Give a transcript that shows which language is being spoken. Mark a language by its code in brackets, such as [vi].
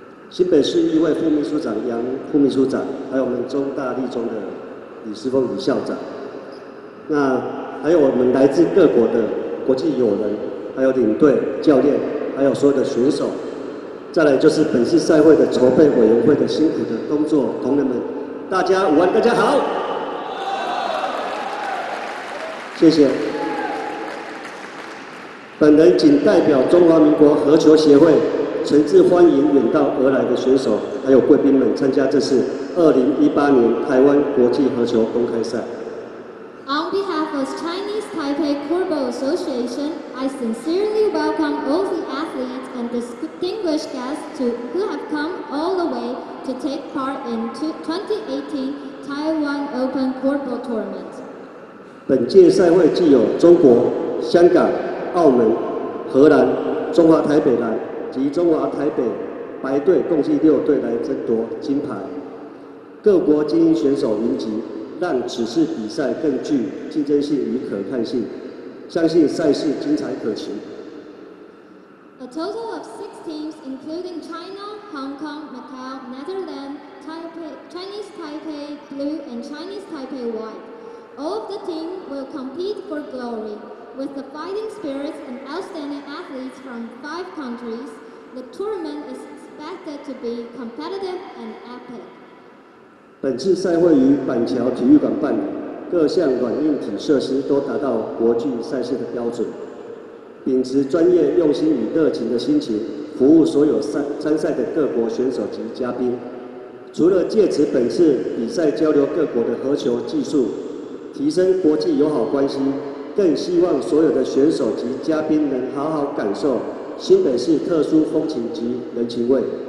[zh] 新北市议会副秘书长杨副秘书长，还有我们中大立中的李思峰李校长，那还有我们来自各国的国际友人，还有领队、教练，还有所有的选手，再来就是本次赛会的筹备委员会的辛苦的工作同仁们，大家午安，大家好，谢谢。本人仅代表中华民国和球协会，诚挚欢迎远道而来的选手还有贵宾们参加这次2018年台湾国际和球公开赛。 [en] On behalf of Chinese Taipei Football Association, I sincerely welcome all the athletes and distinguished guests who have come all the way to take part in 2018 Taiwan Open Football Tournament. [zh] 本届赛会既有中国、香港、澳门、荷兰、中华台北男及中华台北白队共计六队来争夺金牌，各国精英选手云集，让此次比赛更具竞争性与可看性，相信赛事精彩可期。 [en] A total of 6 teams, including China, Hong Kong, Macau, Netherlands, Chinese Taipei Blue, and Chinese Taipei White. All of the teams will compete for glory. With the fighting spirits and outstanding athletes from 5 countries, the tournament is expected to be competitive and epic. [zh] 本次赛会于板桥体育馆办理，各项软硬体设施都达到国际赛事的标准，秉持专业用心与热情的心情服务所有参赛的各国选手及嘉宾，除了借此本次比赛交流各国的和球技术，提升国际友好关系，更希望所有的选手及嘉宾能好好感受新北市特殊风情及人情味。